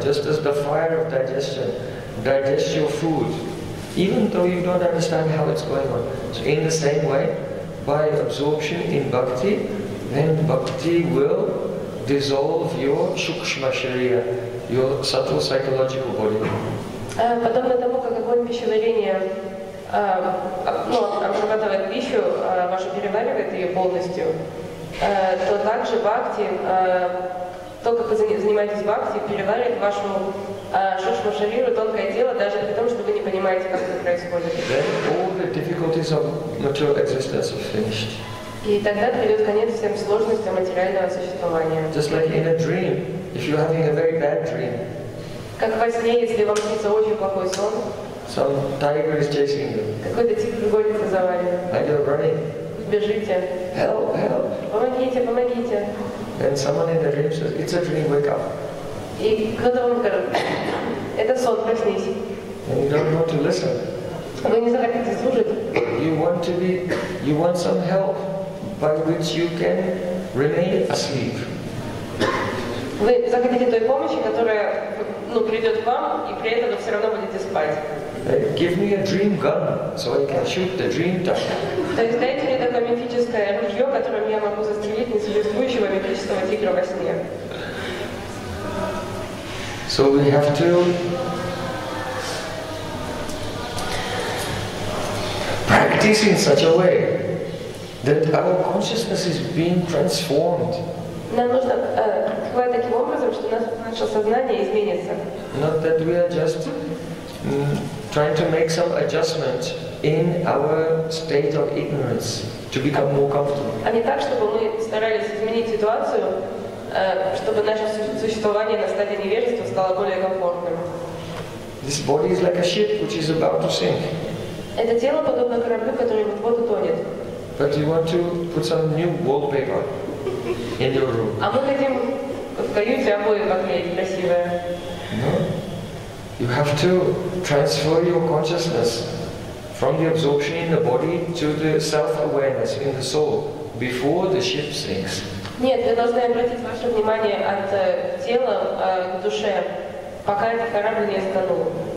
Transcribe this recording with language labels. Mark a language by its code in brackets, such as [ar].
[en] Just as the fire of digestion digests your food, even though you don't understand how it's going on. So in the same way, by absorption in bhakti, then bhakti will dissolve your shukshma sharira, your subtle psychological body. [ru] Подобно тому, как огонь пищеварения обрабатывает пищу, вашу переваривает ее полностью, то также бхакти, то, как вы занимаетесь бхакти, переваривает вашу шушму шариру, тонкое тело, даже при том, что вы не понимаете, как это происходит. [en] All the difficulties of material existence are finished. [ru] И тогда придет конец всем сложностям материального существования. [en] Just like in a dream, if you're having a very bad dream. [ru] Как во сне, если вам снится очень плохой сон. [en] Some tiger is chasing you. [ru] Какой-то тигр гонится за вами. [en] And you're running. [ru] Бежите. [en] Help, help. [ru] Помогите, помогите. [en] And someone in the dream says, it's a dream, wake up. [ru] И кто-то вам говорит, это сон, проснись. [en] And you don't want to listen. [ru] Вы не захотите слушать. [en] You want to be, you want some help by which you can remain asleep. [ru] Вы захотите той помощи, которая придет к вам, и при этом вы все равно будете спать. [en] Give me a dream gun, so I can shoot the dream down. [ru] То есть дайте мне такое мифическое ружье, которым я могу застрелить несуществующего мифического тигра во сне. [en] So we have to practice in such a way that our consciousness is being transformed. [ru] Нам нужно бывает таким образом, что наше сознание изменится. [en] Not that we are just trying to make some adjustment in our state of ignorance to become more comfortable. [ru] А не так, чтобы мы старались изменить ситуацию, чтобы наше существование на стадии невежества стало более комфортным. [en] This body is like a ship which is about to sink. [ru] Это тело подобно кораблю, который вот-вот утонет. [en] But you want to put some new wallpaper in your room. [ru] А мы хотим в каюте обои поклеить красивые. [en] No. You have to transfer your consciousness from the absorption in the body to the self-awareness in the soul before the ship sinks. [ru] Нет, вы должны обратить ваше внимание от тела к душе, пока этот корабль не затонул.